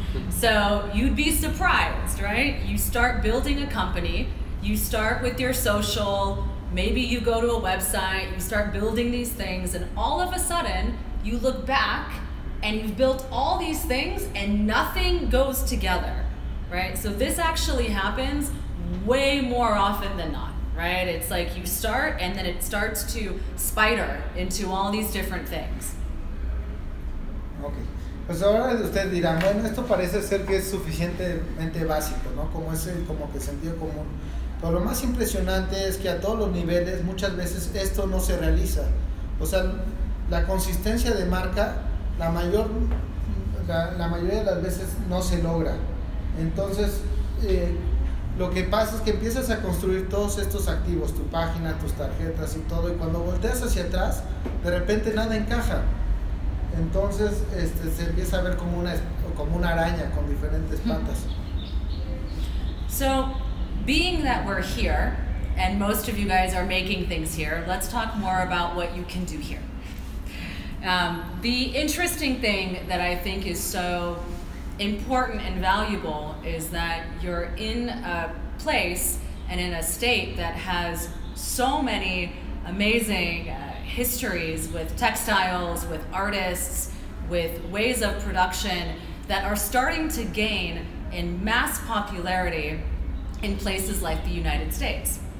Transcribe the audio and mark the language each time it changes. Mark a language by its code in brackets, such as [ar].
[en] So you'd be surprised, right? You start building a company, you start with your social, maybe you go to a website, you start building these things, and all of a sudden you look back and you've built all these things and nothing goes together, right? So this actually happens way more often than not, right? It's like you start and then it starts to spider into all these different things. Okay. [es] Pues ahora ustedes dirán, bueno, esto parece ser que es suficientemente básico, ¿no? Como es como que sentido común. Pero lo más impresionante es que a todos los niveles muchas veces esto no se realiza. O sea, la consistencia de marca, la mayoría de las veces no se logra. Entonces, lo que pasa es que empiezas a construir todos estos activos, tu página, tus tarjetas y todo, y cuando volteas hacia atrás, de repente nada encaja. Entonces, se empieza a ver como una araña con diferentes patas. [en] So, being that we're here, and most of you guys are making things here, let's talk more about what you can do here. The interesting thing that I think is so important and valuable is that you're in a place and in a state that has so many amazing histories with textiles, with artists, with ways of production that are starting to gain in mass popularity in places like the United States.